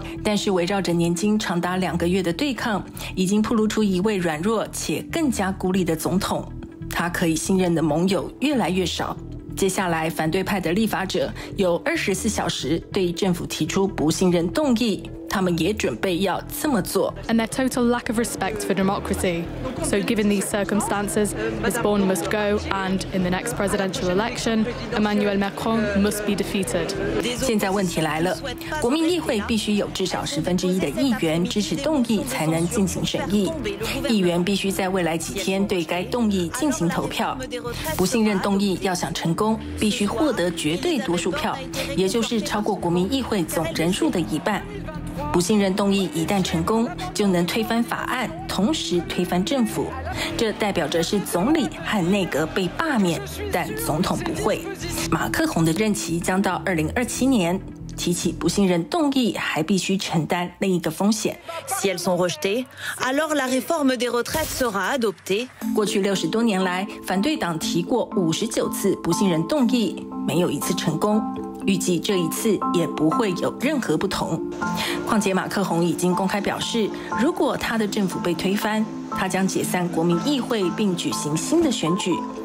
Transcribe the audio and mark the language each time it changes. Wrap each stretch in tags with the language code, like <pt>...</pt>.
<zh>但是围绕着年金长达两个月的对抗，已经暴露出一位软弱且更加孤立的总统，他可以信任的盟友越来越少。接下来，反对派的立法者有24小时对政府提出不信任动议，他们也准备要这么做。</zh> <en>And their total lack of respect for democracy. So given these circumstances, Ms. Borne must go, and in the next presidential election, Emmanuel Macron must be defeated.</en> <zh>现在问题来了，国民议会必须有至少十分之一的议员支持动议才能进行审议，议员必须在未来几天对该动议进行投票。不信任动议要想成功，必须获得绝对多数票，也就是超过国民议会总人数的一半。不信任动议一旦成功，就能推翻法案，同时推翻政府。这代表着是总理和内阁被罢免，但总统不会。马克宏的任期将到2027年。提起不信任动议，还必须承担另一个风险。</zh> <fr>Si elles sont rejetées, alors la réforme des retraites sera adoptée.</fr> <zh>过去60多年来，反对党提过59次不信任动议，没有一次成功。预计这一次也不会有任何不同。况且马克宏已经公开表示，如果他的政府被推翻，他将解散国民议会并举行新的选举。</zh>